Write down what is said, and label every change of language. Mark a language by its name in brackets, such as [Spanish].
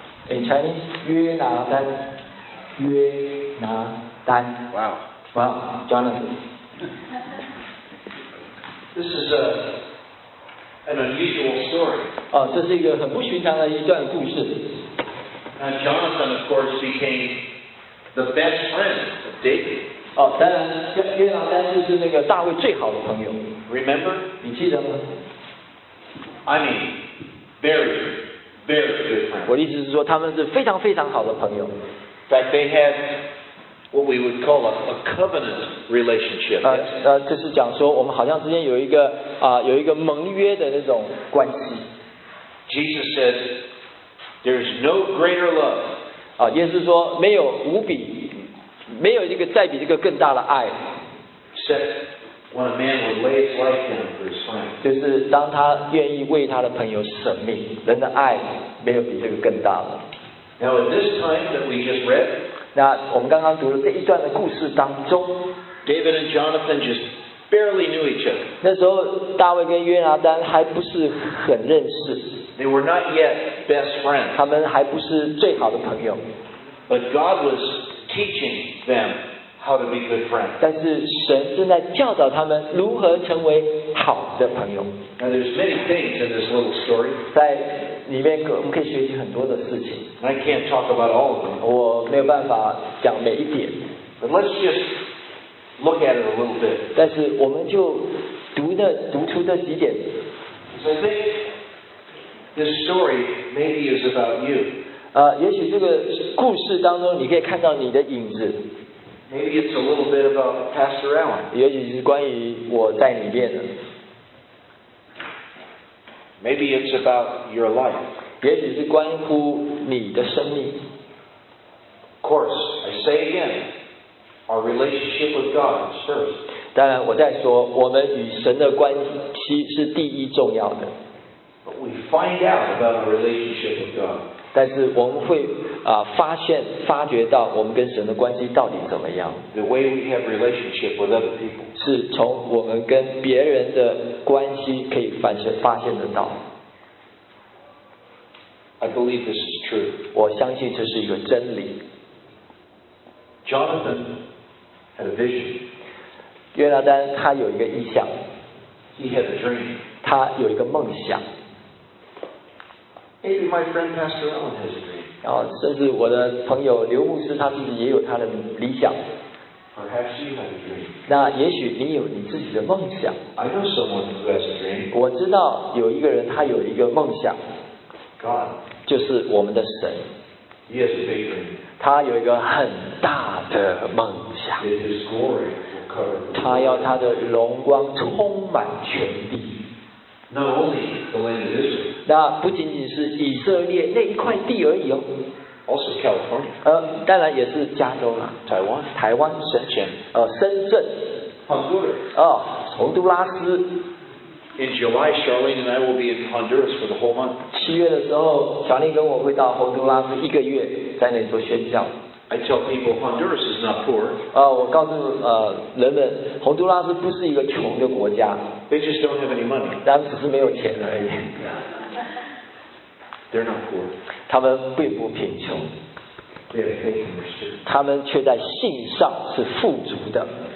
[English] In Chinese, 约拿丹。 [Chinese] 约拿丹。 [English] Wow. Wow, Jonathan. This is an unusual story. [Chinese] 这是一个很不寻常的一段故事。 [English] Now, Jonathan, of course, became the best friend of David. [Chinese] 当然，约拿丹就是那个大卫最好的朋友。 [English] Remember? [Chinese] 你记得吗？ [English] I mean, very, very good friend. [Chinese] 我的意思是说，他们是非常非常好的朋友。 [English] In fact, they had what we would call a covenant relationship. [Chinese] 就是讲说我们好像之间有一个有一个盟约的那种关系。 [English] Jesus says, "There's no greater love." [Chinese] 耶稣说没有无比，没有一个再比这个更大的爱。 [English] Except when a man would lay his life down for his friend. [Chinese] 就是当他愿意为他的朋友舍命，人的爱没有比这个更大了。 [English] Now at this time that we just read, [Chinese] 那我们刚刚读的这一段的故事当中， [English] David and Jonathan just barely knew each other. [Chinese] 那时候大卫跟约拿丹还不是很认识。 [English] They were not yet best friends. [Chinese] 他们还不是最好的朋友。 [English] But God was teaching them how to be good friends. [Chinese] 但是神正在教导他们如何成为好的朋友。 [English] Now there's many things in this little story. [Chinese] 在里面我们可以学习很多的事情。 [English] I can't talk about all of them. [Chinese] 我没有办法讲每一点。 [English] But let's just look at it a little bit. [Chinese] 但是我们就读出这几点。 [English] So I think this story maybe is about you. [Chinese] 也许这个故事当中你可以看到你的影子。 [English] Maybe it's a little bit about Pastor Allen. [Chinese] 也许是关于我在里面的。 [English] Maybe it's about your life. [Chinese] 也许是关乎你的生命。 [English] Of course, I say again, our relationship with God is first. [Chinese] 当然，我再说，我们与神的关系是第一重要的。 [English] But we find out about our relationship with God. [Chinese] 但是我们会、发现发觉到我们跟神的关系到底怎么样。 [English] The way we have relationship with other people. [Chinese] 是从我们跟别人的关系可以发现得到。 [English] I believe this is true. [Chinese] 我相信这是一个真理。 [English] Jonathan had a vision. [Chinese] 约拿丹他有一个意象。 [English] He had a dream. [Chinese] 他有一个梦想。 [English] Maybe my friend Pastor Allen has a dream. [Chinese] 然后甚至我的朋友刘牧师他自己也有他的理想。 [English] Perhaps you have a dream. [Chinese] 那也许你有你自己的梦想。 [English] I know someone who has a dream. [Chinese] 我知道有一个人他有一个梦想。 [English] God, [Chinese] 就是我们的神 [English] He has a big dream. [Chinese] 他有一个很大的梦想 [English] His glory will cover the world. [Chinese] 他要他的荣光充满全地 [English] Not only the land of Israel. [Chinese] 那不仅仅是以色列那一块地而已哦 [English] Also California. [Chinese] 当然也是加州啦 [English] Taiwan. [Chinese] 台湾深圳深圳 [English] Honduras. [Chinese] 洪都拉斯 [English] In July, Charlene and I will be in Honduras for the whole month. [Chinese] 七月的时候，小丽跟我会到洪都拉斯一个月，在那里做宣教。 [English] I tell people Honduras is not poor. [Chinese] 我告诉人们，洪都拉斯不是一个穷的国家。 [English] They just don't have any money. [Chinese] 他们只是没有钱而已。 [English] They're not poor. [Chinese] 他们并不贫穷。 [English] They have faith and worship. [Chinese] 他们却在信上是富足的。